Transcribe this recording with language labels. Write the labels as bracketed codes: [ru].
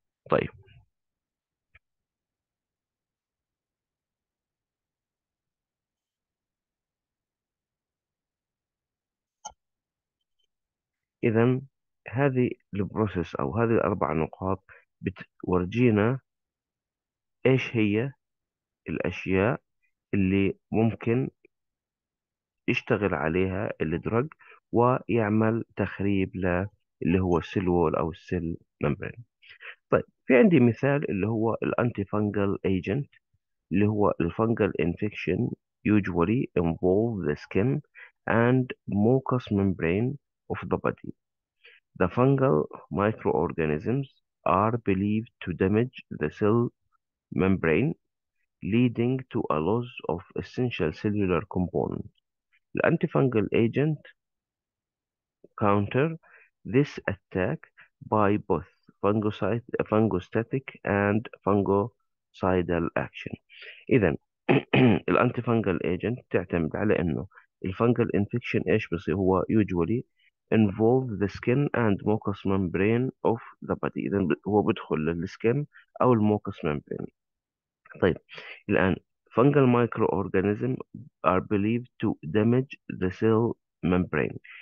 [ar] طيب إذا هذه البروسيس أو هذه الأربع نقاط بتورجينا إيش هي الأشياء اللي ممكن يشتغل عليها الدرج ويعمل تخريب له اللي هو السيل وول أو السيل ممبرين. طيب في عندي مثال اللي هو الأنتي فانجل ايجنت اللي هو الفانجل انفكشن [en] usually involve the skin and mucous membrane of the body. The fungal microorganisms are believed to damage the cell membrane, leading to a loss of essential cellular components. The antifungal agent counter This attack by both fungostatic and fungicidal action. [ar] إذا الأنتيفانجل ايجنت تعتمد على إنه الفانجل انفكشن إيش بصير، هو [en] usually involve the skin and mucous membrane of the body. [ar] إذا هو بدخل للسكن أو الموكس membrane. طيب الآن [en] fungal microorganisms are believed to damage the cell membrane.